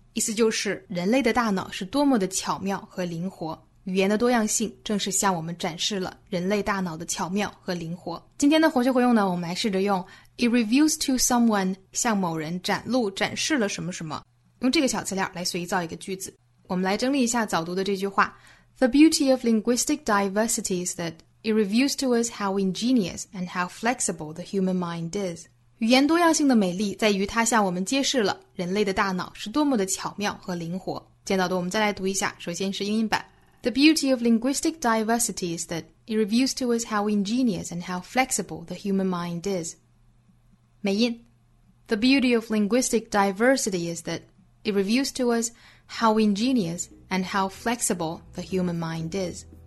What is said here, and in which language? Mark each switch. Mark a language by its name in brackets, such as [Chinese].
[Chinese] 意思就是人类的大脑是多么的巧妙和灵活。语言的多样性正是向我们展示了人类大脑的巧妙和灵活。今天的活学活用呢，我们来试着用 [English] It reveals to someone [Chinese] 向某人展露展示了什么什么。用这个小词链来随意造一个句子。我们来整理一下早读的这句话。 [English] The beauty of linguistic diversity is that it reveals to us how ingenious and how flexible the human mind is. [Chinese] 语言多样性的美丽在于它向我们揭示了人类的大脑是多么的巧妙和灵活。简早读我们再来读一下，首先是英音版。 [English] The beauty of linguistic diversity is that it reveals to us how ingenious and how flexible the human mind is. [Chinese] 美音。 [English] The beauty of linguistic diversity is that it reveals to us how ingenious and how flexible the human mind is.